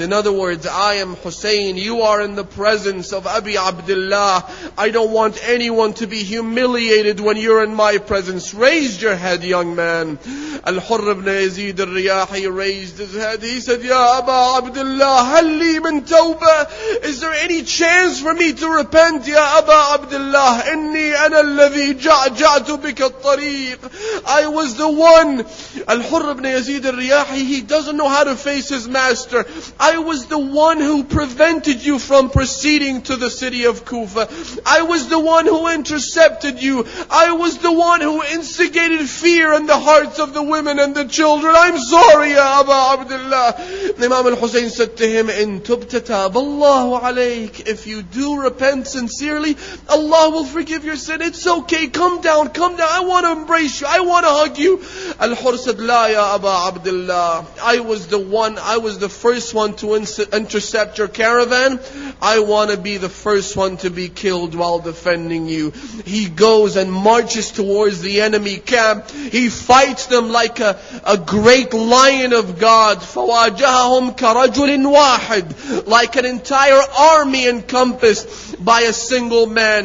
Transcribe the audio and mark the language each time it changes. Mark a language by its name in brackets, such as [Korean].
[English] In other words, "I am Hussein. You are in the presence of Abi Abdullah. I don't want anyone to be humiliated when you're in my presence. Raise your head, young man." Al-Hurr ibn Yazid al-Riyahi raised his head. He said, [Arabic] "Ya Aba Abdullah, هل لي من توبة؟ [English] Is there any chance for me to repent [Arabic] يا أبا عبد الله؟ إني أنا الذي جعجعت بك الطريق. [English] I was the one. الحر بن يزيد الرياحي, he doesn't know how to face his master. I was the one who prevented you from proceeding to the city of Kufa. I was the one who intercepted you. I was the one who instigated fear in the hearts of the women and the children. I'm sorry, [Arabic] يا أبا عبد الله. [English] Imam al-Hussein said to him, [Arabic] إن تبت تاب الله عليك. [English] If you do repent sincerely, Allah will forgive your sin. It's okay. Come down. Come down. I want to embrace you. I want to hug you. Al-Hur said, [Arabic] لا يا أبا عبد الله. [English] I was the one. I was the first one to intercept your caravan. I want to be the first one to be killed while defending you. He goes and marches towards the enemy camp. He fights them like a great lion of God. [Arabic] فواجههم كرجل واحد, [English] like an entire army encompassed by a single man.